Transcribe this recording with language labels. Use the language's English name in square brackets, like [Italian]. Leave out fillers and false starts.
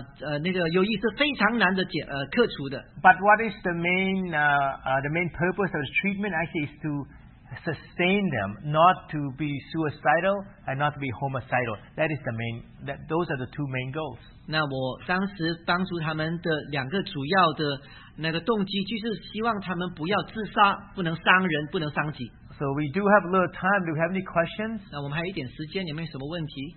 [Chinese] 那这种病因这种不寻常的那个忧郁是非常难的解克除的。 [English] But what is the main purpose of the treatment actually is to sustain them, not to be suicidal and not to be homicidal. That is the main. Those are the two main goals. [Chinese] 那我当时帮助他们的两个主要的那个动机，就是希望他们不要自杀，不能伤人，不能伤己。 [English] So we do have a little time. Do we have any questions? [Chinese] 那我们还有一点时间，有没有什么问题？